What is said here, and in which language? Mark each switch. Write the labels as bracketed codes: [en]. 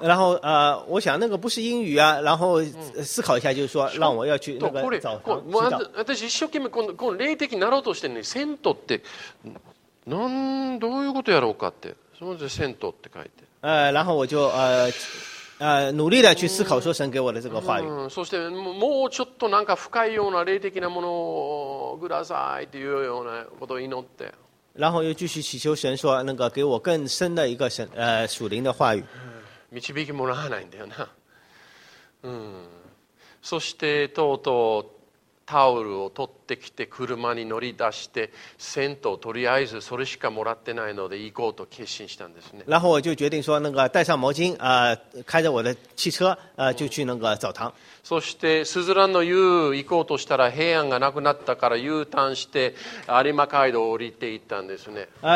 [zh] 然后我想那个不是英语啊，然后思考一下，就是说让我要去那个澡堂洗澡。 [ja] 私一生懸命この霊的になろうとしてるのに、圣徒ってなんどういうことやろうかって、その字圣徒って書いて。 [zh] 然后我就努力的去思考说神给我的这个话语。 [ja] そしてもうちょっとなんか深いような霊的なものをくださいっていうようなことを祈って。 [zh] 然后又继续祈求神说，那个给我更深的一个神属灵的话语。 [ja] 導きもらわないんだよな。そしてとうとうタオルを取ってきて車に乗り出して、銭湯とりあえずそれしかもらってないので行こうと決心したんですね。 [zh] 然后我就决定说，那个带上毛巾，开着我的汽车，就去那个澡堂。 [ja] そしてスズランの湯行こうとしたら平安がなくなったから U ターンして有馬街道を降りていったんですね。